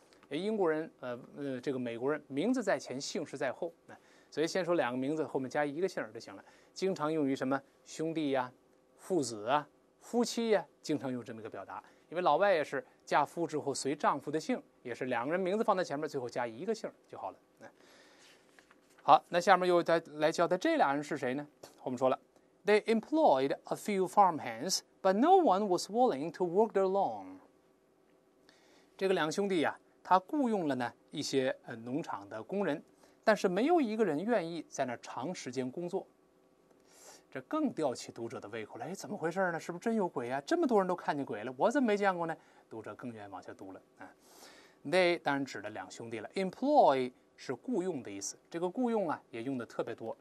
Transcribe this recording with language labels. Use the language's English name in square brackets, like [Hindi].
[Chinese] 英国人这个美国人名字在前姓氏在后，所以先说两个名字后面加一个姓就行了，经常用于什么兄弟呀、父子啊、夫妻呀，经常用这么一个表达。因为老外也是嫁夫之后随丈夫的姓，也是两个人名字放在前面最后加一个姓就好了。好，那下面又来交代这俩人是谁呢？我们说了 [English] They employed a few farmhands, but no one was willing to work there long. [Chinese] 这个两兄弟啊，他雇佣了呢一些农场的工人，但是没有一个人愿意在那长时间工作。这更吊起读者的胃口了，怎么回事呢？是不是真有鬼啊？这么多人都看见鬼了，我怎么没见过呢？读者更愿意往下读了。They 当然指的两兄弟了， employ是雇佣的意思，这个雇佣啊也用的特别多。